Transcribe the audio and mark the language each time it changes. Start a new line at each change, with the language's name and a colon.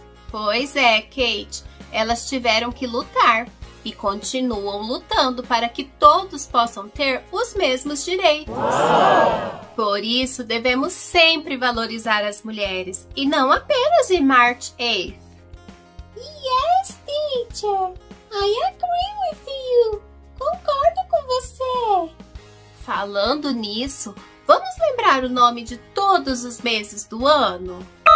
Portuguese: Pois é, Kate. Elas tiveram que lutar e continuam lutando para que todos possam ter os mesmos direitos. Por isso, devemos sempre valorizar as mulheres e não apenas em
English: March 8th. Yes, teacher. I agree with you.
Portuguese: Concordo com você. Falando nisso, vamos lembrar o nome de todos os meses do ano?